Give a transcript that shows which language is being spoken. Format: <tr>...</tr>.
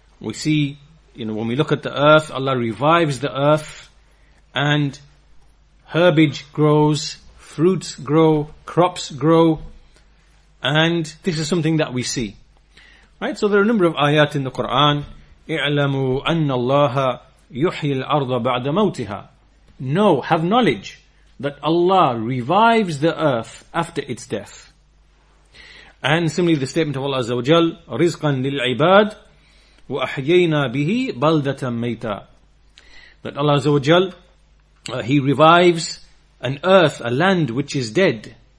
<en>We see, when we look at the earth, Allah revives the earth, and herbage grows, fruits grow, crops grow, and this is something that we see. Right? So there are a number of ayat in the Quran.</en> <ar>اعلموا أن الله يحيي الأرض بعد موتها.</ar> <en>No, have knowledge that Allah revives the earth after its death. And similarly, the statement of Allah Azza wa Jal,</en> <ar>رِزْقًا لِلْعِبَادِ وَأَحْيَيْنَا بِهِ بَلْدَةً مَيْتًا.</ar> <en>That Allah Azza wa Jal, He revives an earth, a land which is dead.</en>